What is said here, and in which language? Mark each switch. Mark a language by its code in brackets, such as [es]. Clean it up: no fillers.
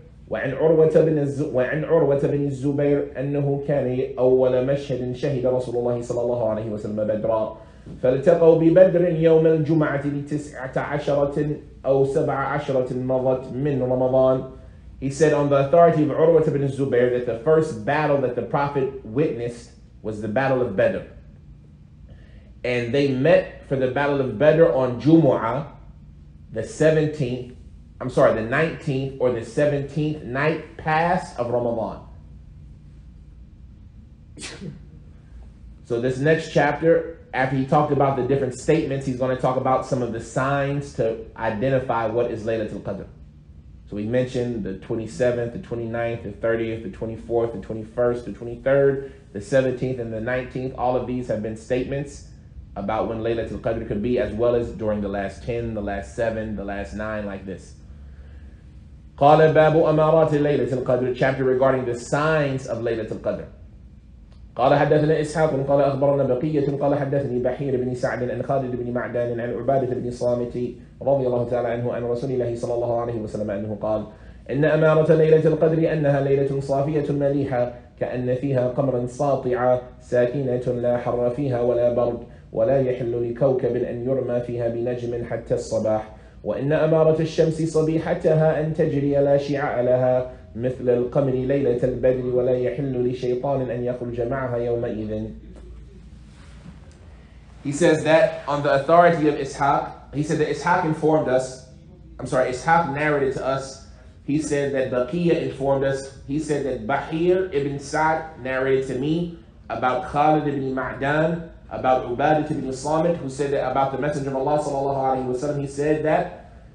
[ar] وعن عروة بن الزبير أنه كان أول مشهد شهد رسول الله صلى الله عليه وسلم بدرا فالتقوا ببدر يوم الجمعة 19 أو 17 مضت من رمضان. [en] He said, on the authority of عروة بن الزبير, that the first battle that the Prophet witnessed was the Battle of Badr. And they met for the Battle of Badr on Jumu'ah, the 19th or the 17th night past of Ramadan. So this next chapter, after he talked about the different statements, he's going to talk about some of the signs to identify what is Laylatul Qadr. So we mentioned the 27th, the 29th, the 30th, the 24th, the 21st, the 23rd, the 17th, and the 19th. All of these have been statements about when Laylatul Qadr could be, as well as during the last 10, the last 7, the last 9, like this. [ar] قال باب أمارات ليلة القدر, [en] chapter regarding the signs of [ar] ليلة القدر. قال حدثنا إسحاق قال أخبرنا بقية قال حدثني بحير بن سعد عن خالد بن معدان عن عبادة بن صامت رضي الله تعالى عنه عن رسول الله صلى الله عليه وسلم أنه قال إن أمارة ليلة القدر أنها ليلة صافية مليحة كأن فيها قمرا ساطعة ساكنة لا حر فيها ولا برد ولا يحل لكوكب أن يرمى فيها بنجم حتى الصباح وإن أمارة الشمس صبيحتها أن تجري لا شعاع لها مثل القمر ليلة البدر ولا يحل لشيطان أن يخرج معها يومئذ. [en] He says that on the authority of Ishaq, he said that Ishaq informed us, I'm sorry, Ishaq narrated to us, he said that Baqiyya informed us, he said that Bahir ibn Sa'd narrated to me about Khalid ibn Ma'dan, about Ubadah ibn Samit, who said that about the Messenger of Allah sallallahu alaihi wasallam, he said that